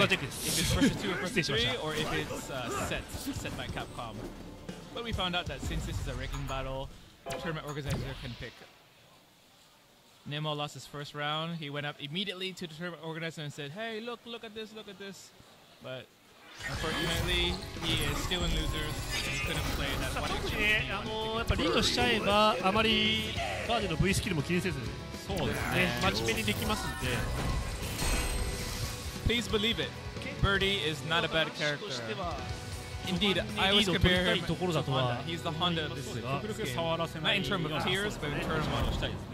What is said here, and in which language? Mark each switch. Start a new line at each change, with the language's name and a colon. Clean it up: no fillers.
English: if it's first two or first three, or if it's set by Capcom. But we found out that since this is a ranking battle, the tournament organizer can pick. Nemo lost his first round. He went up immediately to the tournament organizer and said, "Hey, look at this, look at this." But unfortunately, he is still in losers.
Japanese: 特にね、やっぱリードしちゃえば、あまりバーディの V スキルも気にせず、そうですね、真面目にできますんで、
English: Please believe it, Birdie is not a bad character. Indeed, I was comparing to Honda. He's the Honda of this game. Not in terms of tiers, but in terms of models.